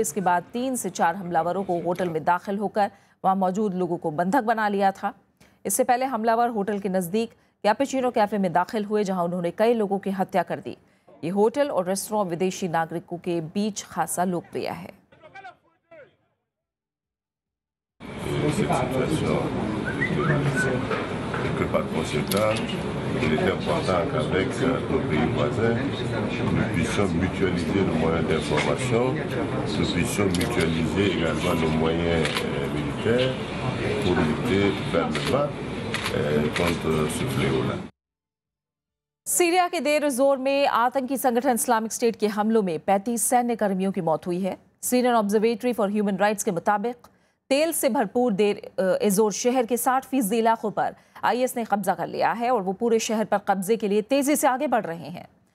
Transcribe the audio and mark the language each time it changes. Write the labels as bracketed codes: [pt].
[hi] इसके बाद 3 से 4 हमलावरों को होटल में दाखिल होकर वहां मौजूद लोगों को बंधक बना लिया था। इससे पहले हमलावर होटल के नज़दीक कैपेचिनो कैफे में दाखिल हुए, जहां उन्होंने कई लोगों की हत्या कर दी। ये होटल और रेस्तरां विदेशी नागरिकों के बीच खासा लोकप्रिय है। [fr] Que par conséquent, il est important qu'avec nos pays voisins, nous puissions mutualiser nos moyens d'information, nous puissions mutualiser également nos moyens militaires pour lutter fermement contre ce fléau-là. [hi] Syria के देर ज़ोर में आतंकी संगठन इस्लामिक स्टेट के हमलों में 35 सैन्य कर्मियों की मौत हुई है। Syrian observatory for human rights के मुताबिक तेल से भरपूर देर एज़ोर शहर के 60% इलाकों पर आईएस ने कब्जा कर लिया है और वो पूरे शहर पर कब्जे के लिए तेजी से आगे बढ़ रहे हैं।